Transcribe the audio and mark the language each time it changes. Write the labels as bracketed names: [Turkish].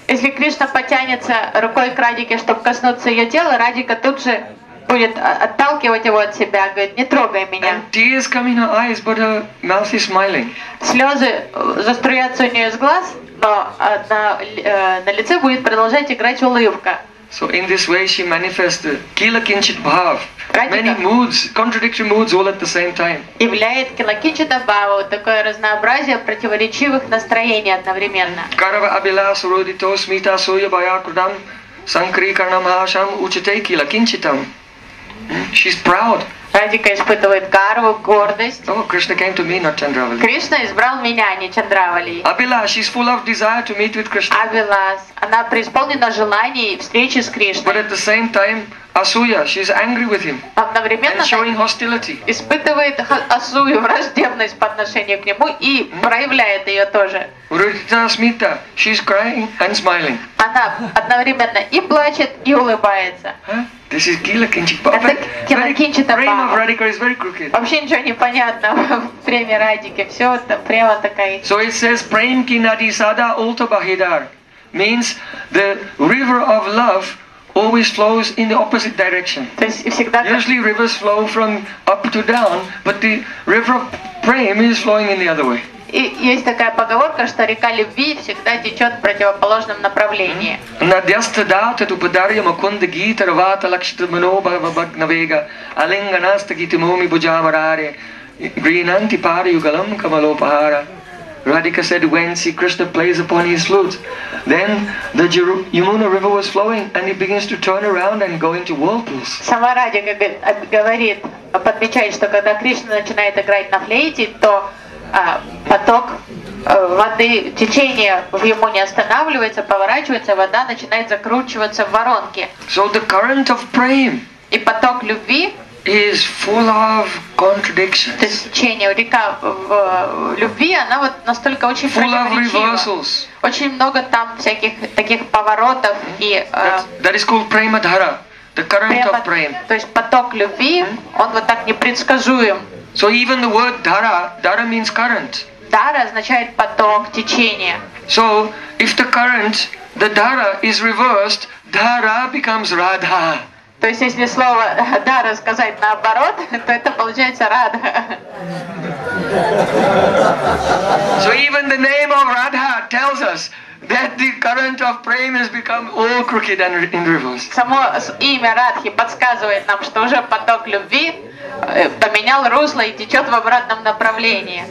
[Russian] Если Кришна потянется рукой к Радхике, чтобы коснуться ее тела, Радхика тут же будет отталкивать его от себя, говорит, не трогай меня. [English] And tears come in her eyes, but her mouth is smiling. [Russian] Слезы заструятся у нее из глаз, но на лице будет продолжать играть улыбка. [English] So in this way she manifests kila kinchit bhav. Many moods, contradictory moods all at the same time. [Russian] Являет килакинчита бхава, такое разнообразие противоречивых настроений одновременно. [Sanskrit] Карава абилас уродито смита суя баякрудам санкрикарна махашам учите килакинчитам. [English] She's proud. [Russian] Радика испытывает карву, гордость. [English] Oh, Krishna came to me, not Chandravali. [Russian] Кришна избрал меня, не Чандравали. [English] Абилас, she's full of desire to meet with Krishna. [Russian] Абилас, она преисполнена желаний встречи с Кришной. [English] But at the same time, Асуя, she's angry with him. [Russian] Одновременно [English] and showing hostility. [Russian] Испытывает Асую враждебность по отношению к нему и проявляет ее тоже. [Sanskrit] Уродита Смита, [English] she's crying and smiling. [Russian] Она одновременно и плачет, и улыбается. [English] Huh? This is Kila Kinchit Bhava. Prema of Radhika is very crooked. [Russian] Вообще ничего не понятно в преме Радхики. Все это према такая. [English] So it says, [Hindi] Prem ki nadi sada ulta bahidar. [English] Means the river of love always flows in the opposite direction. Usually rivers flow from up to down, but the river of prema is flowing in the other way. [Russian] Есть такая поговорка, что река любви всегда течет в противоположном направлении. [Sanskrit] Надьяста дат эту подарья макунда гита рвата лакшита маноба вабагнавега алинга наста гита муми буджамараре гринанти пари югалам камалопахара [English] Radhika said, when see Krishna plays upon his flute, then the Yamuna river was flowing and it begins to turn around and go into whirlpools. [Russian] Сама Радика говорит, подмечает, что когда Кришна начинает играть на флейте, то поток воды, течение в Ямуне останавливается, поворачивается, вода начинает закручиваться в воронке. [English] So the current of prema. [Russian] И поток любви [English] is full of contradictions. [Russian] То есть течение, река в любви, она вот настолько очень противоречива. Очень много там всяких таких поворотов и... [English] That is called Premadhara, the current of Prem. [Russian] То есть поток любви, он вот так непредсказуем. [English] So even the word Dhara, Dhara means current. [Russian] Dhara означает поток, течение. [English] So if the current, the Dhara is reversed, Dhara becomes Radha. [Russian] То есть если слово Dhara сказать наоборот, то это получается Radha. [English] So even the name of Radha tells us that the current of Prem has become all crooked and in reverse. [Russian] Само имя Радхи подсказывает нам, что уже поток любви поменял русло и течет в обратном направлении.